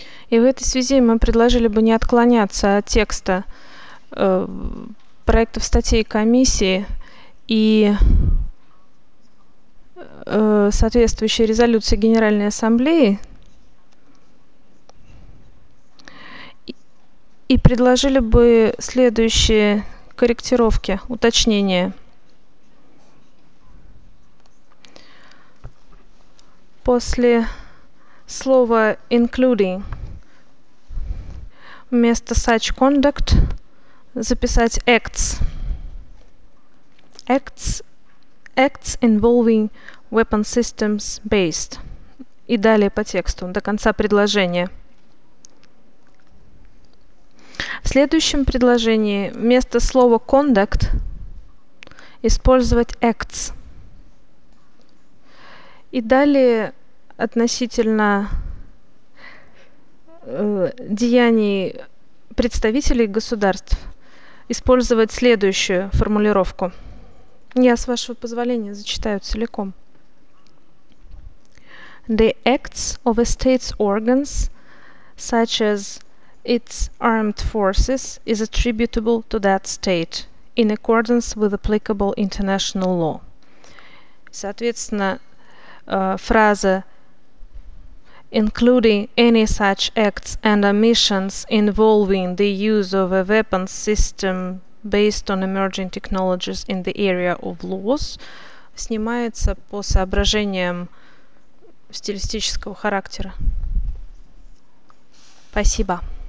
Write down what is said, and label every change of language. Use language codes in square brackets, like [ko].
[ru] И в этой связи мы предложили бы не отклоняться от текста проектов статей комиссии и соответствующей резолюции Генеральной Ассамблеи и предложили бы следующие корректировки, уточнения. После слова [en] «including» [ru] вместо [en] «such conduct» [ru] записать «acts». [en] Acts involving weapon systems based. [ru] И далее по тексту, до конца предложения. В следующем предложении вместо слова «conduct» использовать «acts». И далее относительно деяний представителей государств использовать следующую формулировку. Я, с вашего позволения, зачитаю целиком. [en] The acts of a state's organs, such as its armed forces, is attributable to that state in accordance with applicable international law. [ru] Соответственно, фраза [en] including any such acts and omissions involving the use of a weapon system based on emerging technologies in the area of laws [ru] снимается по соображениям стилистического характера. Спасибо.